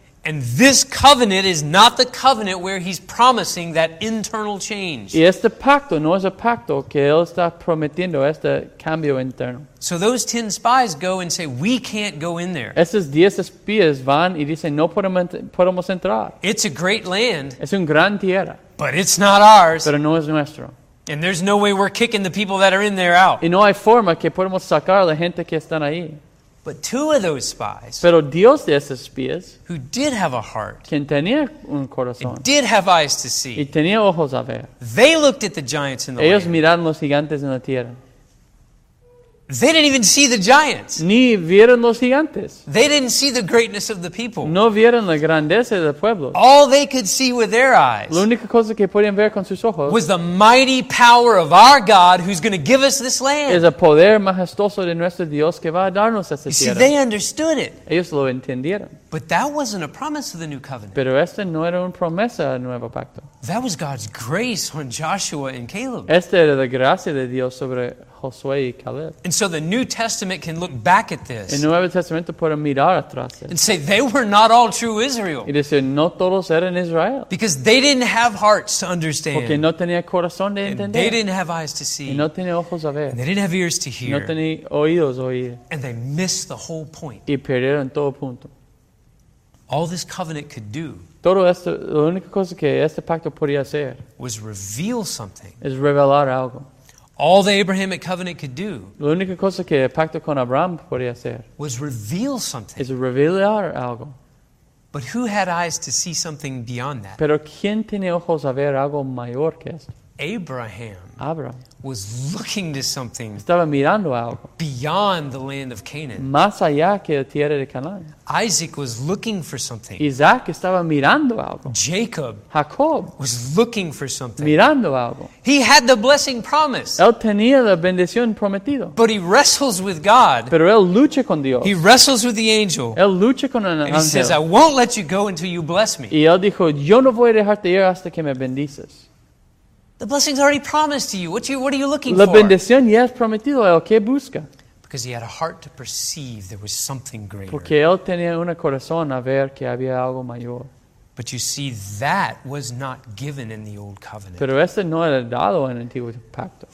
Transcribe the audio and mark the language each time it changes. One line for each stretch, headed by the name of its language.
English: And this covenant is not the covenant where he's promising that internal change.
Spanish: Y este pacto no es el pacto que él está prometiendo este cambio interno.
English: So those 10 spies go and say, we can't go in there.
Spanish: Esos 10 espías van y dicen, no podemos entrar.
English: It's a great land.
Spanish: Es un gran tierra.
English: But it's not ours.
Spanish: Pero no es nuestro.
English: And there's no way we're kicking the people that are in there out.
Spanish: Y no hay forma que podemos sacar a la gente que están ahí.
English: But two of those spies.
Spanish: Pero Dios de esos espías.
English: Who did have a heart.
Spanish: Quien tenía un corazón.
English: And did have eyes to see.
Spanish: Y tenía ojos a ver.
English: They looked at the giants in the
Spanish: ellos
English: land.
Spanish: Ellos miraron los gigantes en la tierra.
English: They didn't even see the giants.
Spanish: Ni vieron los gigantes.
English: They didn't see the greatness of the people.
Spanish: No vieron la grandeza del pueblo.
English: All they could see with their eyes.
Spanish: La única cosa que podían ver con sus ojos.
English: Was the mighty power of our God who's going to give us this land.
Spanish: Es el poder majestuoso de nuestro Dios que va a darnos esta tierra.
English: You see, they understood it.
Spanish: Ellos lo entendieron.
English: But that wasn't a promise of the new covenant.
Spanish: Pero esta no era una promesa del nuevo pacto.
English: That was God's grace on Joshua and Caleb.
Spanish: Esta era la gracia de Dios sobre Josué y Caleb.
English: And so the New Testament can look back at this.
Spanish: El Nuevo Testamento puede mirar atrás.
English: And say they were not all true Israel.
Spanish: Y decir, no todos eran Israel.
English: Because they didn't have hearts to understand.
Spanish: Porque no tenía corazón de entender.
English: And they didn't have eyes to see.
Spanish: Y no tenía ojos a ver.
English: And they didn't have ears to hear.
Spanish: No tenía oídos a oír.
English: And they missed the whole point.
Spanish: Y perdieron todo punto.
English: All this covenant could do.
Spanish: Todo esto, la única cosa que este pacto podía hacer.
English: Was reveal something.
Spanish: Es revelar algo.
English: All the Abrahamic covenant could do.
Spanish: La única cosa que el pacto con Abraham podía hacer.
English: Was reveal something.
Spanish: Es revelar algo.
English: But who had eyes to see something beyond that?
Spanish: Pero ¿quién tiene ojos a ver algo mayor que esto?
English: Abraham. Was looking to something.
Spanish: Estaba mirando algo.
English: Beyond the land of Canaan.
Spanish: Más allá que la tierra de Canaán.
English: Isaac was looking for something.
Spanish: Isaac estaba mirando algo.
English: Jacob. Was looking for something.
Spanish: Mirando algo.
English: He had the blessing promise.
Spanish: Él tenía la bendición prometida.
English: But he wrestles with God.
Spanish: Pero él lucha con Dios.
English: He wrestles with the angel.
Spanish: Él lucha con el ángel.
English: He says, I won't let you go until you bless me.
Spanish: Y él dijo, yo no voy a dejarte ir hasta que me bendices.
English: The blessing's already promised to you. What are you looking for?
Spanish: La bendición ya es prometido. ¿El qué busca?
English: Because he had a heart to perceive there was something greater.
Spanish: Porque él tenía un corazón a ver que había algo mayor.
English: But you see, that was not given in the old covenant.
Spanish: Pero ese no era dado en el antiguo pacto.